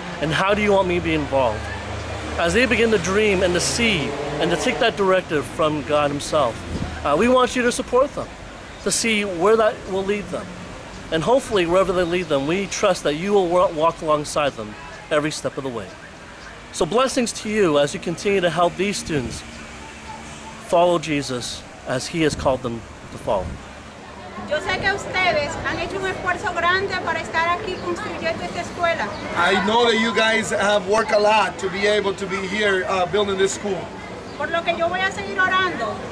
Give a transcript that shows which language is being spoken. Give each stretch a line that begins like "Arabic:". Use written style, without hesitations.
English: And how do you want me to be involved? As they begin to dream and to see and to take that directive from God himself, we want you to support them, to see where that will lead them. And hopefully, wherever they lead them, we trust that you will walk alongside them every step of the way. So blessings to you as you continue to help these students follow Jesus as he has called them to follow.
Spanish: Yo sé que ustedes han hecho un esfuerzo grande para estar aquí construyendo esta escuela.
English: I know that you guys have worked a lot to be able to be here building this school.
Spanish: Por lo que yo voy a seguir orando.